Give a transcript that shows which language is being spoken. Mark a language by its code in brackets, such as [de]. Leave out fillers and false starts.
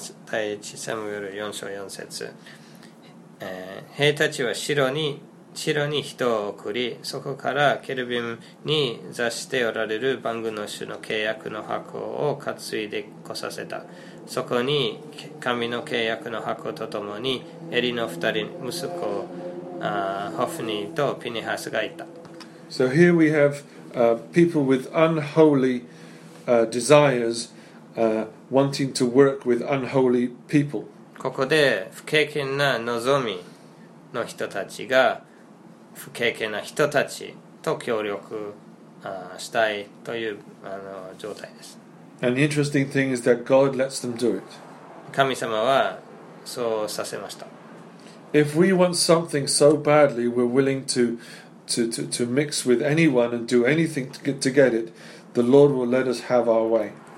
[ja] 第一サムエル4章4節、兵たちはシロに人を送り、そこからケルビムに座しておられる万軍の主の契約の箱を担いでこさせた。そこに神の契約の箱とともにエリの二人息子ホフニーとピニハスがいた。 [en] So here we have people with unholy desires wanting to work with unholy people. [ja] ここで不敬虔な望みの人たちが不敬虔な人たちと協力したいという状態です。 [en] And the interesting thing is that God lets them do it. [ja] 神様はそうさせました。 [en] If we want something so badly, we're willing to mix with anyone and do anything to get it, the Lord will let us have our way.